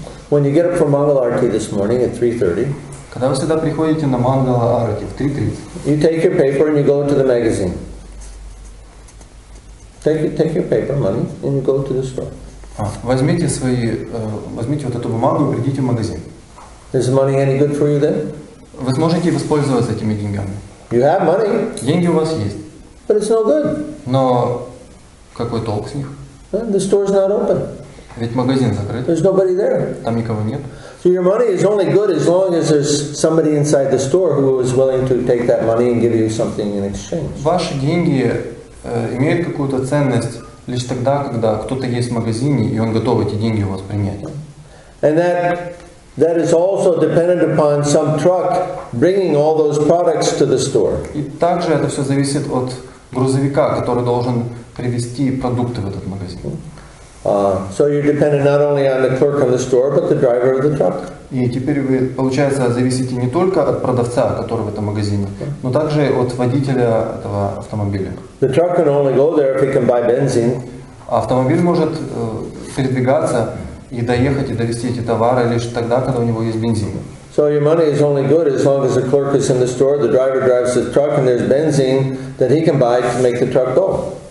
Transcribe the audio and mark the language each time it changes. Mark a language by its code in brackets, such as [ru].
[en] When you get up for Mangal Arati this morning at 3:30, [ru] когда вы сюда приходите на Mangal Arati в 3:30, [en] you take your paper and you go to the magazine. Take your paper, money, and you go to the store. [ru] Возьмите свои, возьмите вот эту бумагу и придите в магазин. [en] Is the money any good for you then? [ru] Вы сможете воспользоваться этими деньгами? [en] You have money. [ru] Деньги у вас есть. [en] But it's no good. [ru] Но какой толк с них? [en] The store's not open. [ru] Ведь магазин закрыт. [en] There's nobody there. [ru] Там никого нет. [en] So your money is only good as long as there's somebody inside the store who is willing to take that money and give you something in exchange. [ru] Ваши деньги имеют какую-то ценность лишь тогда, когда кто-то есть в магазине и он готов эти деньги у вас принять. [en] And that is also dependent upon some truck bringing all those products to the store. [ru] И также это все зависит от грузовика, который должен привезти продукты в этот магазин. [en] So you're dependent not only on the clerk in the store, but the driver of the truck. [ru] И теперь вы, получается, зависите не только от продавца, который в этом магазине, но также от водителя этого автомобиля. [en] The truck can only go there if he can buy benzene. [ru] Автомобиль может передвигаться и доехать и довезти эти товары лишь тогда, когда у него есть бензин. [en] So your money is only good as long as the clerk is in the store, the driver drives the truck, and there's benzene that he can buy to make the truck go.